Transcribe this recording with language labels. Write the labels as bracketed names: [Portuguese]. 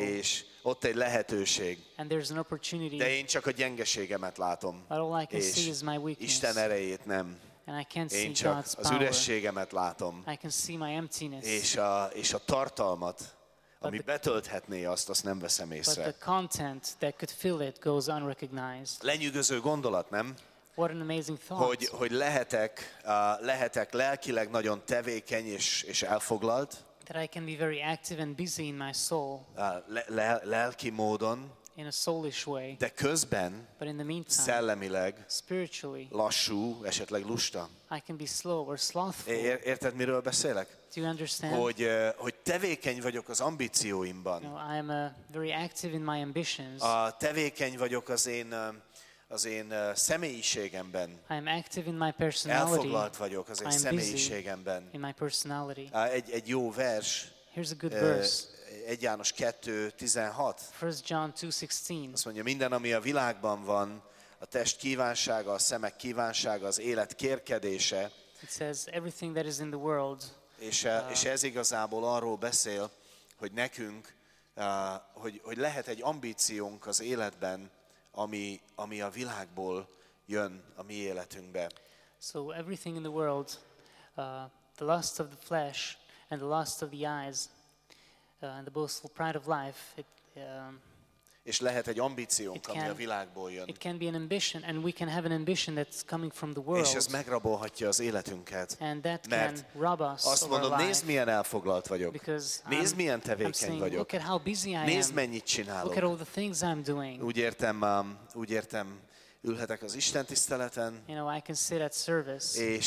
[Hungarian] és ott egy lehetőség, [English] and there's an opportunity, [Hungarian] de én csak a gyengeségemet látom, [English] but all I can [Hungarian] és [English] see is my weakness. [Hungarian] Isten erejét nem. [English] And I can't see [Hungarian] én csak [English] God's power. [Hungarian] Az ürességemet látom. [English] I can see my emptiness. [Hungarian] És a tartalmat, ami betölthetné azt nem veszem észre. [English] But the content that could fill it goes unrecognized. [Hungarian] Lenyűgöző gondolat, nem? [English] What an amazing thought. [Hungarian] Hogy lehetek lelkileg nagyon tevékeny és elfoglalt. [English] That I can be very active and busy in my soul. [Hungarian] Lelki módon. [English] In a soulish way, [Hungarian] de közben, [English] but in the meantime, [Hungarian] szellemileg, [English] spiritually, [Hungarian] lassú, esetleg lusta. [English] I can be slow or slothful. [Hungarian] Érted, miről beszélek? [English] Do you understand? [Hungarian] Hogy tevékeny vagyok az ambícióimban. [English] You know, I am very active in my ambitions. [Hungarian] Tevékeny vagyok az én személyiségemben. [English] I am active in my personality. [Hungarian] Elfoglalt vagyok az én személyiségemben. [English] I am busy in my personality. [Hungarian] Egy jó vers. [English] Here's a good verse. [Hungarian] 1 János 2:16. [English] 1 John 2:16. [Hungarian] Azt mondja, minden, ami a világban van, a test kívánsága, a szemek kívánsága, az élet kérkedése. [English] It says everything that is in the world. [Hungarian] És ez igazából arról beszél, hogy nekünk, hogy lehet egy ambíciónk az életben, ami a világból jön a mi életünkbe. [English] So everything in the world, the lust of the flesh and the lust of the eyes. And the boastful pride of life. [Hungarian] És lehet egy ambíciónk, ami a világból jön. [English] It can be an ambition, and we can have an ambition that's coming from the world. [Hungarian] És ez megrabolhatja az életünket. [English] And that can rob us. [Hungarian] Azt mondom, nézd, milyen elfoglalt vagyok. Nézd, milyen tevékeny vagyok. [English] Look at how busy I am. [Hungarian] Nézd, mennyit csinálok. [English] Look at all the things I'm doing. [Hungarian] Úgy értem, ülhetek az istentiszteleten. [English] You know, I can sit at service.